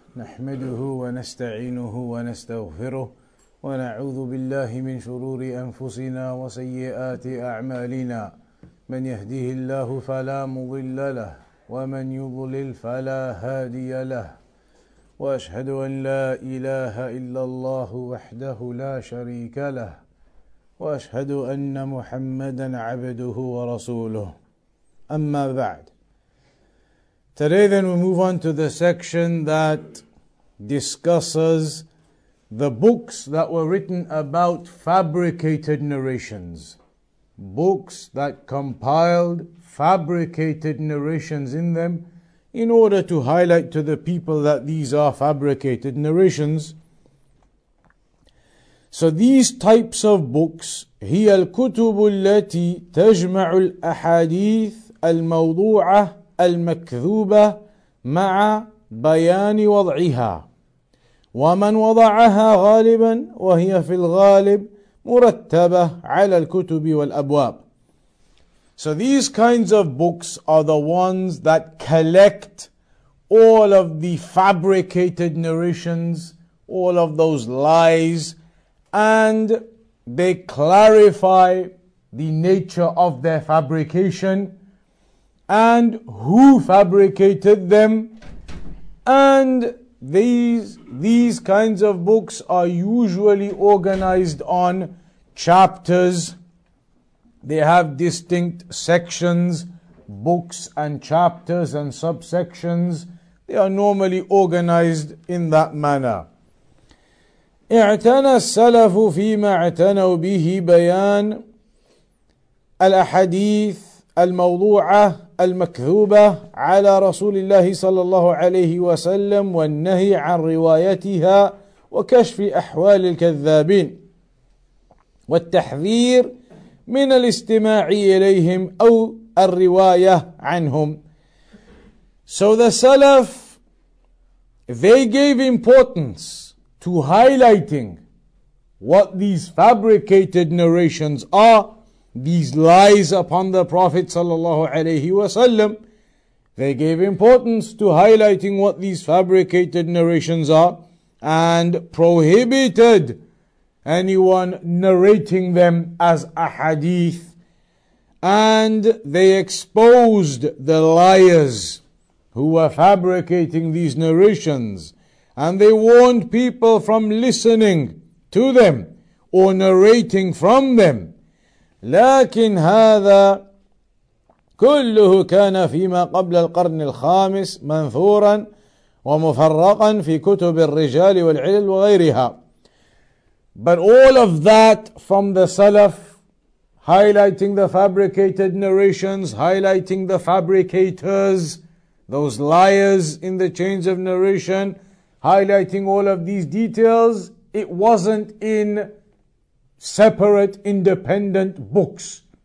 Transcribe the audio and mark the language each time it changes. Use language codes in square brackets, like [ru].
[ar] نحمده ونستعينه ونستغفره ونعوذ بالله من شرور أنفسنا وسيئات أعمالنا من يهده الله فلا مضل له ومن يضلل فلا هادي له وأشهد أن لا إله إلا الله وحده لا شريك له وأشهد أن محمدا عبده ورسوله أما بعد. [en] Today then we move on to the section that discusses the books that were written about fabricated narrations. Books that compiled fabricated narrations in them in order to highlight to the people that these are fabricated narrations. So these types of books, [ar] هي الكتب التي تجمع الأحاديث الموضوعة المكذوبة مع بيان وضعها ومن وضعها غالبا وهي في الغالب مرتبة على الكتب والأبواب. [en] So these kinds of books are the ones that collect all of the fabricated narrations, all of those lies, and they clarify the nature of their fabrication and who fabricated them. And these kinds of books are usually organized on chapters. They have distinct sections, books and chapters and subsections. They are normally organized in that manner. [ar] اعتنى السلف فيما اعتنوا به بيان الأحاديث الموضوعة المكذوبة على رسول الله صلى الله عليه وسلم والنهي عن روايتها وكشف أحوال الكذابين والتحذير من الاستماع إليهم أو الرواية عنهم. [en] So the Salaf, they gave importance to highlighting what these fabricated narrations are, these lies upon the Prophet sallallahu alayhi wasallam. They gave importance to highlighting what these fabricated narrations are and prohibited anyone narrating them as ahadith, and they exposed the liars who were fabricating these narrations, and they warned people from listening to them or narrating from them. [ar] لكن هذا كله كان فيما قبل القرن الخامس منثورا ومفرقا في كتب الرجال والعلل وغيرها. [en] But all of that from the Salaf, highlighting the fabricated narrations, highlighting the fabricators, those liars in the chains of narration, highlighting all of these details, it wasn't in separate independent books.